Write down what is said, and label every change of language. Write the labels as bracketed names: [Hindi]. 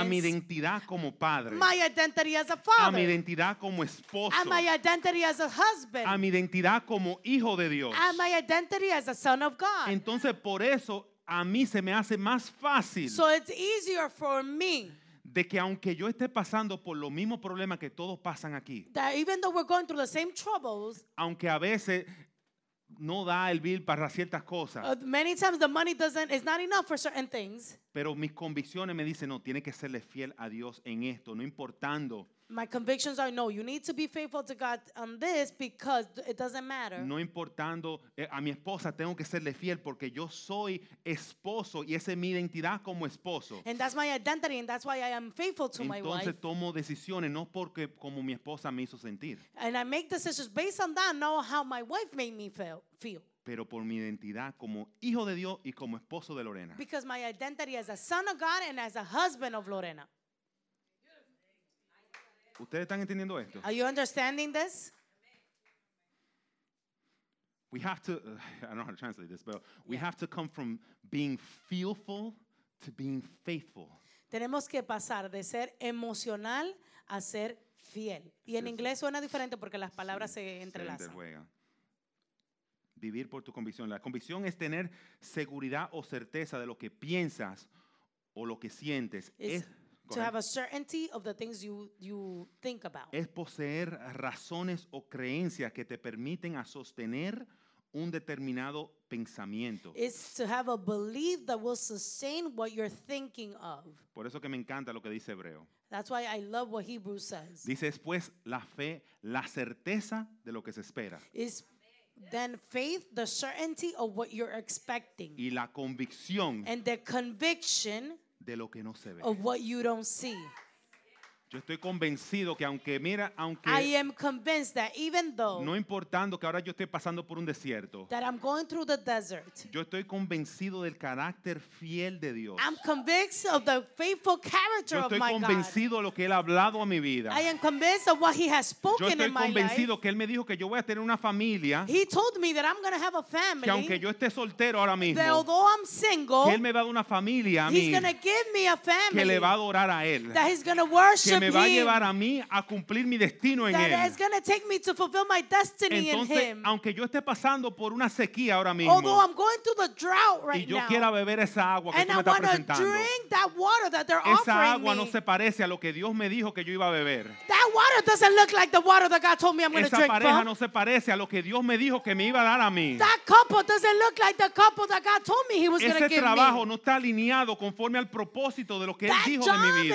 [Spanish] A mi identidad como padre. [English] My identity as a father. [Spanish] A mi identidad como esposo. [English] And my identity as a husband. [Spanish] A mi identidad como hijo de Dios. [English] And my identity as a son of God. [Spanish] Entonces por eso. A mí se me hace más fácil. [English] So it's easier for me. [Spanish] De que aunque yo esté pasando por los mismos problemas que todos pasan aquí. [English] That even though we're going through the same troubles. [Spanish] Aunque a veces no da el bill para ciertas cosas. [English] Many times the money doesn't, it's not enough for certain things. [Spanish] Pero mis convicciones me dicen no, tiene que serle fiel a Dios en esto, no importando. [English] My convictions are no, you need to be faithful to God on this because it doesn't matter. [Spanish] No importando a mi esposa, tengo que serle fiel porque yo soy esposo y esa es mi identidad como esposo. [English] And that's my identity and that's why I am faithful to [Spanish] entonces, [English] my wife. [Spanish] Entonces tomo decisiones no porque como mi esposa me hizo sentir. [English] And I make decisions based on that, not how my wife made me feel. [Spanish] Pero por mi identidad como hijo de Dios y como esposo de Lorena. [English] Because my identity as a son of God and as a husband of Lorena. [Spanish] ¿Ustedes están entendiendo esto? [English] Are you understanding this? We have to, I don't know how to translate this, but we have to come from being fearful to being faithful. [Spanish] Tenemos que pasar de ser emocional a ser fiel. Y en inglés suena diferente porque las palabras se entrelazan. Se interjuega. Vivir por tu convicción. La convicción es tener seguridad o certeza de lo que piensas o lo que sientes. [English] To have a certainty of the things you think about. [Spanish] Es poseer razones o creencias que te permiten a sostener un determinado pensamiento. [English] It's to have a belief that will sustain what you're thinking of. [Spanish] Por eso que me encanta lo que dice Hebreo. [English] That's why I love what Hebrew says. [Spanish] Dice después la fe, la certeza de lo que se espera. [English] It's then faith, the certainty of what you're expecting. [Spanish] Y la convicción. [English] And the conviction [Spanish] de lo que no se ve. [English] Of what you don't see. [Spanish] Yo estoy convencido que aunque mira, aunque [English] I am convinced that even though, [Spanish] no importando que ahora yo esté pasando por un desierto, [English] that I'm going through the desert, [Spanish] yo estoy convencido del carácter fiel de Dios. [English] I'm convinced of the faithful character of my God. [Spanish] Yo estoy convencido de lo que él ha hablado a mi vida. [English] I am convinced of what he has spoken in my life. [Spanish] Yo estoy convencido que él me dijo que yo voy a tener una familia. [English] He told me that I'm going to have a family. [Spanish] Que aunque yo esté soltero ahora mismo, [English] that although I'm single, [Spanish] que él me va a dar una familia a mí. [English] He's going to give me a family. [Spanish] Que le va a adorar a él. [English] That he's going to worship. [Spanish] Que me va a llevar a mí a cumplir mi destino en él. [English] That is going to take me to fulfill my destiny. [Spanish] Entonces, [English] in him. [Spanish] Aunque yo esté pasando por una sequía ahora mismo, [English] although I'm going through the drought right now, [Spanish] y yo quiera beber esa agua que tú me estás presentando, [English] and I want to drink that water that they're offering me, [Spanish] esa agua no se parece a lo que Dios me dijo que yo iba a beber. [English] That water doesn't look like the water that God told me I'm going to drink. [Spanish] Esa pareja no se parece a lo que Dios me dijo que me iba a dar a mí. [English] That couple doesn't look like the couple that God told me he was going to give me. [Spanish] Ese trabajo no está alineado conforme al propósito de lo que él dijo de mi vida.